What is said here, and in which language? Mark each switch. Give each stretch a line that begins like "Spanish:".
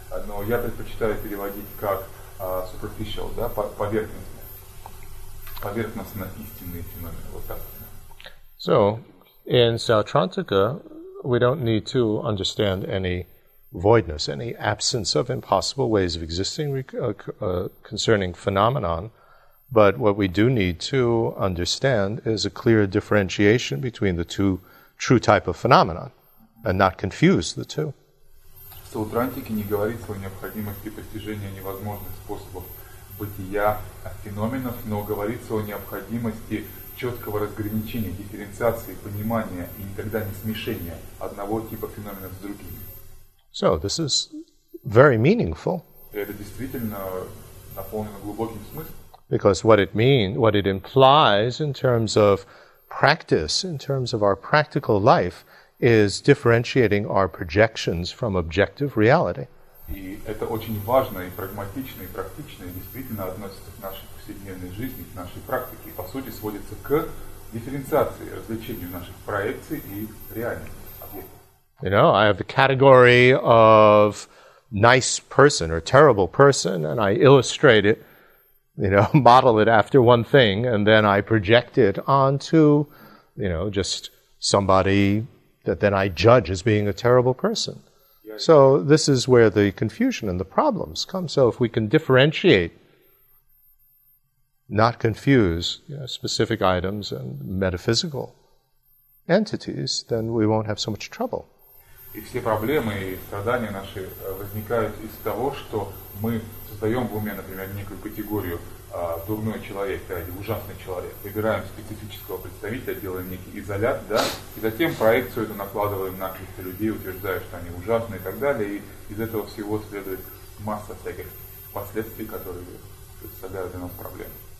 Russian: Но я предпочитаю переводить как superficial, да, поверхностно. Поверхностно истинные феномены. Вот так.
English: So, in Sautrantika, we don't need to understand any voidness, any absence of impossible ways of existing concerning phenomenon, but what we do need to understand is a clear differentiation between the two true type of phenomenon, and not confuse the two.
Russian: В Саутрантике не говорится о необходимости постижения невозможных способов бытия феноменов, но говорится о необходимости четкого разграничения, дифференциации, понимания и никогда не смешения одного типа феноменов с другими.
English: So, this is very meaningful.
Russian: Это действительно наполнено глубоким смыслом.
English: Because what it implies in terms of practice, in terms of our practical life, is differentiating our projections from objective reality.
Russian: И это очень важно, и прагматично, и практично, и действительно относится к нашей повседневной жизни, к нашей практике, и, по сути, сводится к дифференциации, различению наших проекций и реальности.
English: You know, I have the category of nice person or terrible person, and I illustrate it, you know, model it after one thing, and then I project it onto, you know, just somebody that then I judge as being a terrible person. So this is where the confusion and the problems come. So if we can differentiate, not confuse, you know, specific items and metaphysical entities, then we won't have so much trouble.
Russian: И все проблемы и страдания наши возникают из того, что мы создаем в уме, например, некую категорию дурной человек, да, или ужасный человек, выбираем специфического представителя, делаем некий изолят, да, и затем проекцию эту накладываем на каких-то людей, утверждая, что они ужасные и так далее, и из этого всего следует масса всяких последствий, которые представляют для нас проблемы.